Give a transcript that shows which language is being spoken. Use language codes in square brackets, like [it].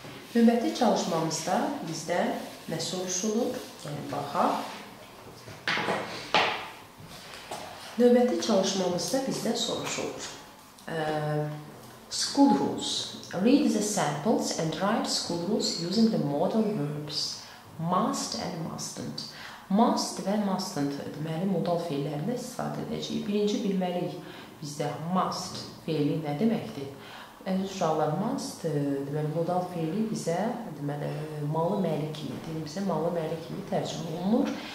[az] Növbəti çalışmamızda bizdə nə soruşulur? Gəlin, baxaq. Növbəti çalışmamızda bizdə soruşulur. [en] School rules. Read the samples and write school rules using the model verbs. Must and mustn't. [az] Must və mustn't deməli modal feillərinə istifadə edəcəyik. Birinci bilməliyik bizdə must feili nə deməkdir? Əziz uşaqlar, must deməli modal feili bizə deməli malı məlik kimi, deyim bizə malı məlik kimi tərcümə olunur.